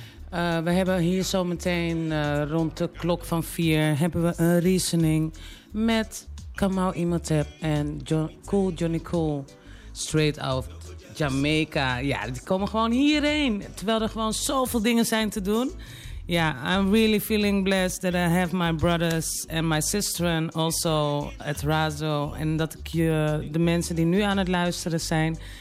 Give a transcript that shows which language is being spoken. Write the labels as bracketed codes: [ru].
[nl] We hebben hier zometeen rond de klok van 4 hebben we een reasoning met Kamau Imhotep en Cool Johnny Cool. [en] Straight out Jamaica. [nl] Ja, die komen gewoon hierheen. Terwijl er gewoon zoveel dingen zijn te doen. [en] Ja, yeah, I'm really feeling blessed that I have my brothers and my sisters also at Razo. [nl] En dat ik de mensen die nu aan het luisteren zijn.